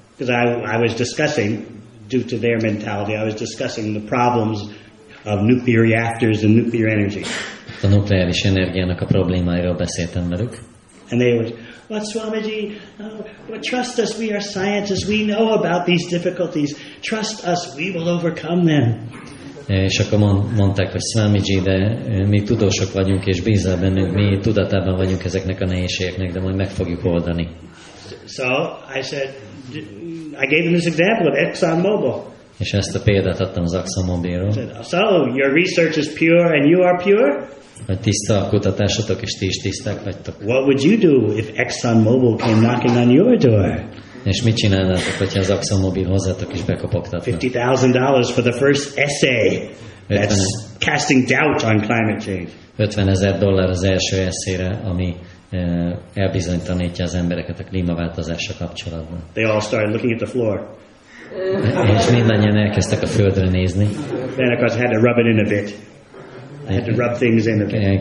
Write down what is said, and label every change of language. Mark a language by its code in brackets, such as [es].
[en] Because I was discussing, due to their mentality, I was discussing the problems of nuclear reactors and nuclear energy. [hu] A nukleáris energiának a problémáiról beszéltem velük. [en] And they were, "What, Swamiji? Oh, trust us, we are scientists. We know about these difficulties. Trust us, we will overcome them." [hu] És akkor mondták, hogy Swamiji, de mi tudósok vagyunk, és bízzál bennünk, mi tudatában vagyunk ezeknek a nehézségeknek, de majd meg fogjuk oldani. [en] So I said, I gave them this example of Exxon Mobil. [hu] És ezt a példát adtam az ExxonMobilról. [en] So your research is pure and you are pure? [hu] Hogy tiszta a kutatásotok, és ti is tiszták vagytok. [en] What would you do if ExxonMobil came knocking on your door? [hu] És mit csinálnátok, hogyha az ExxonMobil hozzátok is bekopogtatna? [en] $50,000 for the first essay that's casting doubt on climate change. [hu] $50,000 az első eszére, ami elbizonytanítja az embereket a klímaváltozásra kapcsolatban. [en] They all started looking at the floor. [hu] És mindannyian elkezdtek a földre nézni. [en] Then of course I had to rub it in a bit. I had to rub things in a bit.